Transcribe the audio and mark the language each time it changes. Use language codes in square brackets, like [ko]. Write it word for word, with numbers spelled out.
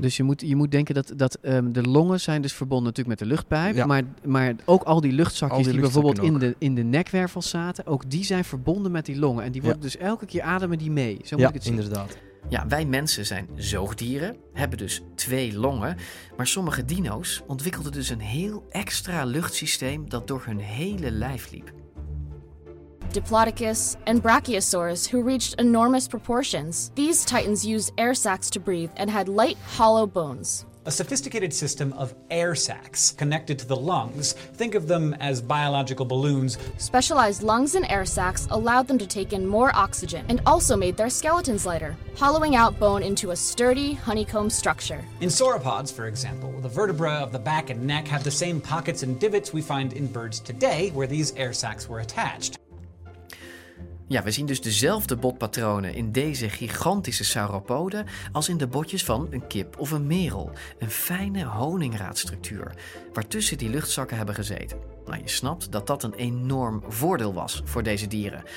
[nl] Dus je moet, je moet denken dat, dat um, de longen zijn dus verbonden natuurlijk met de luchtpijp, ja. maar, maar ook al die luchtzakjes al die, die bijvoorbeeld in de, in de nekwervels zaten, ook die zijn verbonden met die longen. En die worden ja. dus elke keer ademen die mee. Zo moet ja, ik het zien. Inderdaad. Ja, wij mensen zijn zoogdieren, hebben dus twee longen, maar sommige dino's ontwikkelden dus een heel extra luchtsysteem dat door hun hele lijf liep. [en] Diplodocus, and Brachiosaurus, who reached enormous proportions. These titans used air sacs to breathe and had light, hollow bones. a sophisticated system of air sacs connected to the lungs. Think of them as biological balloons. Specialized lungs and air sacs allowed them to take in more oxygen and also made their skeletons lighter, hollowing out bone into a sturdy honeycomb structure. In sauropods, for example, the vertebrae of the back and neck have the same pockets and divots we find in birds today, where these air sacs were attached. [nl] Ja, we zien dus dezelfde botpatronen in deze gigantische sauropoden als in de botjes van een kip of een merel. Een fijne honingraadstructuur, waartussen die luchtzakken hebben gezeten. Nou, je snapt dat dat een enorm voordeel was voor deze dieren.